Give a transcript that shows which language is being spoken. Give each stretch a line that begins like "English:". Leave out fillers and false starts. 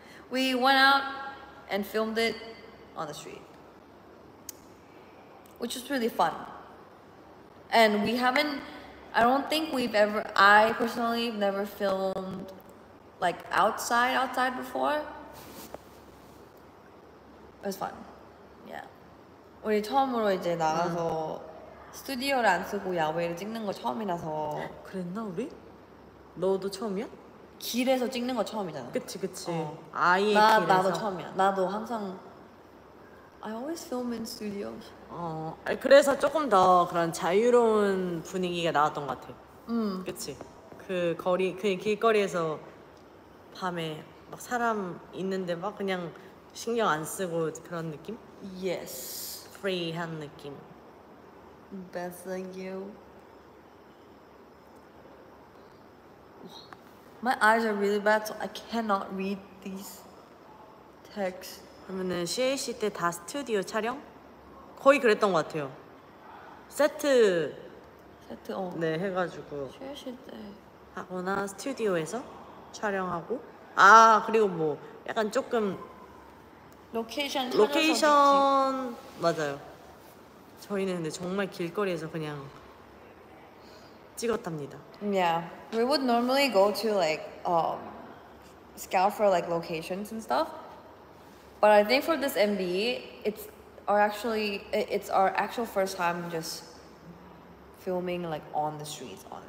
English: We went out and filmed it on the street, which was really fun. And we haven't, I don't think we've ever, I personally have never filmed like outside before. It was fun. Yeah.
Korean: 우리 처음으로 이제 나가서 스튜디오를 안 쓰고 야외를 찍는 거 처음이라서. 그랬나 우리? 너도 처음이야? 길에서 찍는 거 처음이잖아. 그치. 어. 아예 나, 길에서. 나도 처음이야. 나도 항상
English: I always film in studios.
Korean: 그래서 조금 더 그런 자유로운 분위기가 나왔던 것 같아. 그치? 그 거리, 그 길거리에서 밤에 막 사람 있는데 막 그냥 신경 안 쓰고 그런 느낌?
English: Yes.
Korean: Free한 느낌.
English: Best thank you. My eyes are really bad, so I cannot read these texts.
Korean: 그러면은 CAC 때 다 스튜디오 촬영? 거의 그랬던 것 같아요. 세트 어. 네, 해가지고 CAC 때 하거나 스튜디오에서 촬영하고. 아, 그리고 뭐 약간 조금 로케이션 찾아서. 맞아요. 저희는 근데 정말 길거리에서 그냥 찍었답니다.
English: Yeah, we would normally go to like scout for like locations and stuff. But I think for this MV, it's our actual first time just filming like on the streets.